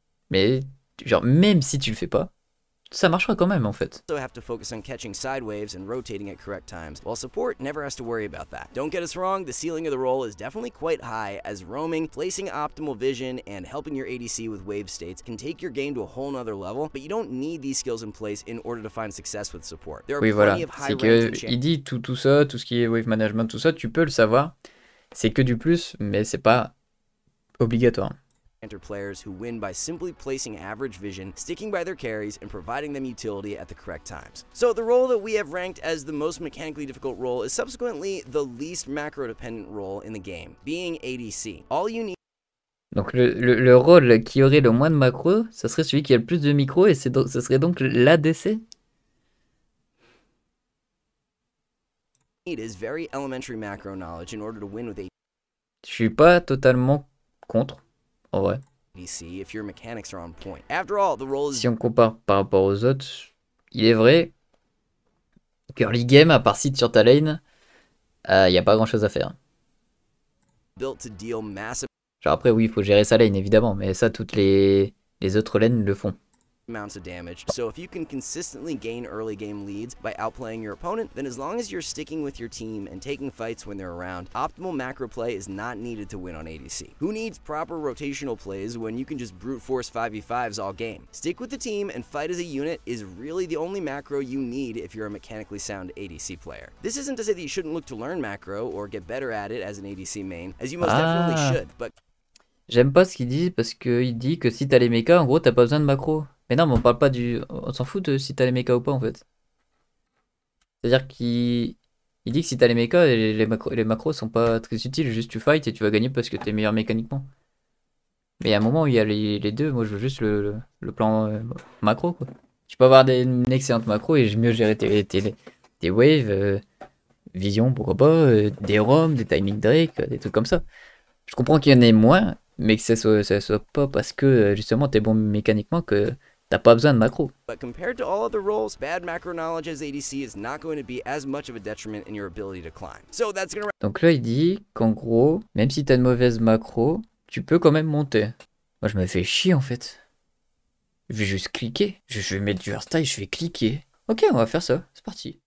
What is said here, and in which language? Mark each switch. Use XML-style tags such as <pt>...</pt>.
<fr>Mais, genre, même si tu le fais pas, ça marchera quand même en fait.</fr> <en>So have to focus on catching side waves and rotating at correct times, while support never has to worry about that. Don't get us wrong, the ceiling of the role is definitely quite high, as roaming, placing optimal vision, and helping your ADC with wave states can take your game to a whole nother level, but you don't need these skills in place in order to find success with support. There are oui, plenty voilà. of high</en> <fr>C'est range que il dit tout ça, tout ce qui est wave management, tout ça, tu peux le savoir. C'est que du plus, mais c'est pas obligatoire.</fr> <en>Players who win by simply placing average vision, sticking by their carries, and providing them utility at the correct times. So the role that we have ranked as the most mechanically difficult role is subsequently the least macro dependent role in the game, being ADC. All you need.</en> <fr>Donc le rôle qui aurait le moins de macro, ce serait celui qui a le plus de micro, et ce serait donc l'ADC.</fr> <en>It is very elementary macro knowledge in order to win with ADC.</en> <fr>Je suis pas totalement contre. Ouais. Si on compare par rapport aux autres, il est vrai qu'early game, à part site sur ta lane, il n'y a pas grand chose à faire. Genre après, oui, il faut gérer sa lane évidemment, mais ça, toutes les autres lanes le font.</fr> <en>Amounts of damage. So if you can consistently gain early game leads by outplaying your opponent, then as long as you're sticking with your team and taking fights when they're around, optimal macro play is not needed to win on ADC. Who needs proper rotational plays when you can just brute force 5v5s all game? Stick with the team and fight as a unit is really the only macro you need if you're a mechanically sound ADC player. This isn't to say that you shouldn't look to learn macro or get better at it as an ADC main, as you most definitely should, but</en> <fr>j'aime pas ce qu'il dit parce que il dit que si t'as les mechas, en gros t'as pas besoin de macro. Mais non, mais on parle pas du. On s'en fout de si t'as les mechas ou pas en fait. C'est-à-dire qu'il dit que si t'as les mechas, les macros sont pas très utiles, juste tu fight et tu vas gagner parce que t'es meilleur mécaniquement. Mais il y a un moment où il y a les deux, moi je veux juste le plan macro quoi. Tu peux avoir une excellente macro et mieux gérer tes waves, vision pourquoi pas, des roms, des timing drake, des trucs comme ça. Je comprends qu'il y en ait moins. Mais que ce soit pas parce que justement t'es bon mécaniquement que t'as pas besoin de macro.</fr> <en>But compared to all other roles, bad macro knowledge as ADC is not going to be as much of a detriment in your ability to climb. So that's gonna...</en> <fr>Donc là il dit qu'en gros, même si t'as une mauvaise macro, tu peux quand même monter. Moi je me fais chier en fait. Je vais juste cliquer. Je vais mettre du hardstyle, je vais cliquer. Ok, on va faire ça. C'est parti.</fr>